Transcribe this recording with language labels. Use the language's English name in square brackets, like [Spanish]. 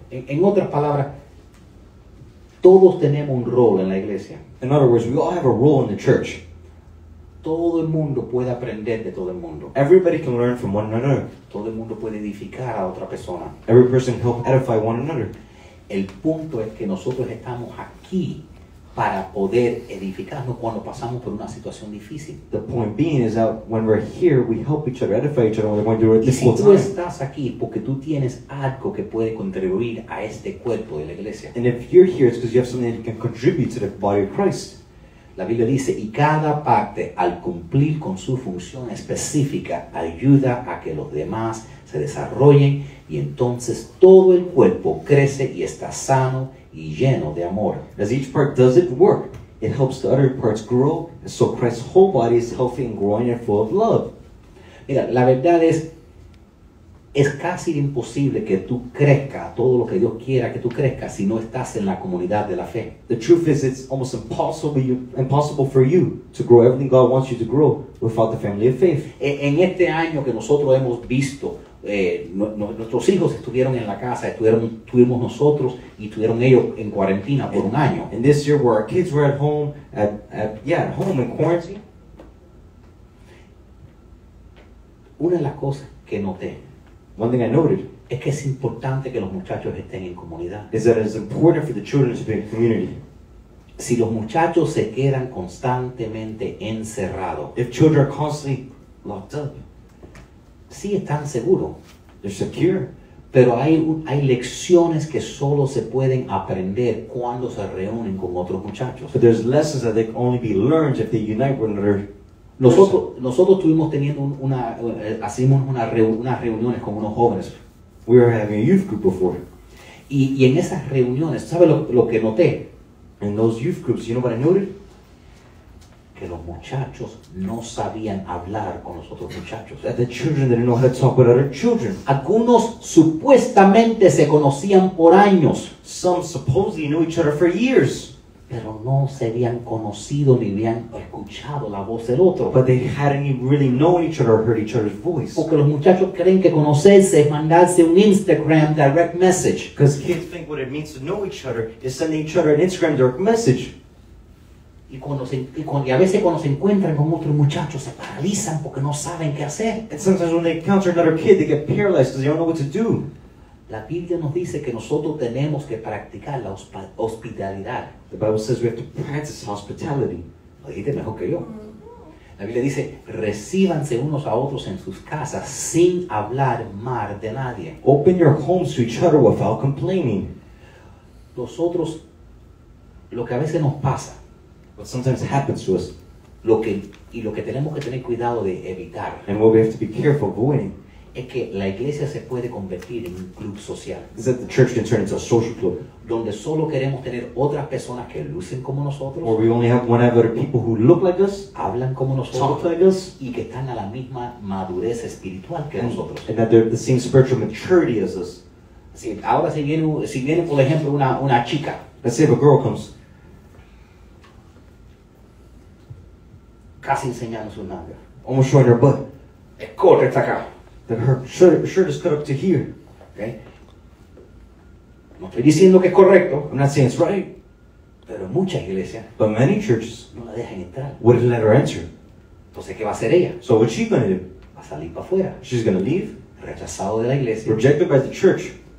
[Spanish] En otras palabras, todos tenemos un rol en la iglesia. [English] In other words, we all have a role in the church. [Spanish] Todo el mundo puede aprender de todo el mundo. [English] Everybody can learn from one another. [Spanish] Todo el mundo puede edificar a otra persona. [English] Every person help edify one another. [Spanish] El punto es que nosotros estamos aquí para poder edificarnos cuando pasamos por una situación difícil. [English] The point being is that when we're here, we help each other, edify each other when we're going through a difficult time. [Spanish] Y si tú estás aquí porque tú tienes algo que puede contribuir a este cuerpo de la iglesia. [English] And if you're here, it's because you have something that you can contribute to the body of Christ. [Spanish] La Biblia dice, y cada parte, al cumplir con su función específica, ayuda a que los demás se desarrollen, y entonces todo el cuerpo crece y está sano y lleno de amor. [English] As each part does its work, it helps the other parts grow, and so Christ's whole body is healthy and growing and full of love. [Spanish] Mira, la verdad es casi imposible que tú crezcas todo lo que Dios quiera que tú crezcas si no estás en la comunidad de la fe. [English] The truth is, it's almost impossible for you to grow everything God wants you to grow without the family of faith. [Spanish] En este año que nosotros hemos visto, nuestros hijos estuvieron en la casa, tuvimos nosotros y tuvieron ellos en cuarentena por un año. [English] And this year where our kids were at home in quarantine. [Spanish] Una de las cosas que noté, [English] one thing I noted, [Spanish] es que es importante que los muchachos estén en comunidad. [English] Is that it's important for the children to be in community. [Spanish] Si los muchachos se quedan constantemente encerrados, [English] if children are constantly locked up, [Spanish] sí están seguros, [English] they're secure, [Spanish] pero hay lecciones que solo se pueden aprender cuando se reúnen con otros muchachos. [English] But there's lessons that they can only be learned if they unite with another. [Spanish] Nosotros tuvimos teniendo unas reuniones con unos jóvenes. [English] We were having a youth group before. [Spanish] Y en esas reuniones, ¿sabes lo que noté? [English] In those youth groups, you know what I noted? [Spanish] Que los muchachos no sabían hablar con los otros muchachos. [English] That the children didn't know how to talk with other children. [Spanish] Algunos supuestamente se conocían por años. [English] Some supposedly knew each other for years. [Spanish] Pero no se habían conocido ni habían escuchado la voz del otro. [English] But they hadn't even really known each other or heard each other's voice. [Spanish] Porque los muchachos creen que conocerse es mandarse un Instagram direct message. [English] Because kids think what it means to know each other is sending each other an Instagram direct message. [Spanish] Y a veces cuando se encuentran con otro muchacho se paralizan porque no saben qué hacer. [English] And sometimes when they encounter another kid they get paralyzed because they don't know what to do. [Spanish] La Biblia nos dice que nosotros tenemos que practicar la hospitalidad. [English] The Bible says we have to practice hospitality. [Spanish] Lo dijiste mejor que yo. La Biblia dice, recíbanse unos a otros en sus casas sin hablar mal de nadie. [English] Open your homes to each other without complaining. [Spanish] Nosotros, lo que a veces nos pasa, [English] what sometimes happens to us, [Spanish] lo que tenemos que tener cuidado de evitar, [English] and what we have to be careful of avoiding, [Spanish] es que la iglesia se puede convertir en un club social. [English] Is that the church can turn into a social club? [Spanish] Donde solo queremos tener otras personas que lucen como nosotros. [English] Or we only have one other people who look like us. [Spanish] Hablan como nosotros. [English] Talk like us. [Spanish] Y que están a la misma madurez espiritual que nosotros. [English] And that they're the same spiritual maturity as us. [Spanish] Sí, ahora si viene, por ejemplo, una chica. [English] Let's say if a girl comes. [Spanish] casi enseñando su nalga. [English] Almost showing her butt. [Spanish] El corte está acá. [English] That her shirt is cut up to here. Okay. [Spanish] No estoy diciendo que es correcto. [English] I'm not saying it's right. [Spanish] Pero muchas iglesias. [English] But many churches. [Spanish] No la dejan entrar. [English] Wouldn't let her enter. [Spanish] Entonces, ¿qué va a hacer ella? [English] So what's she going to do? [Spanish] Va a salir para afuera. [English] She's going to leave. [Spanish] Rechazado de la iglesia. [English] Rejected by the church.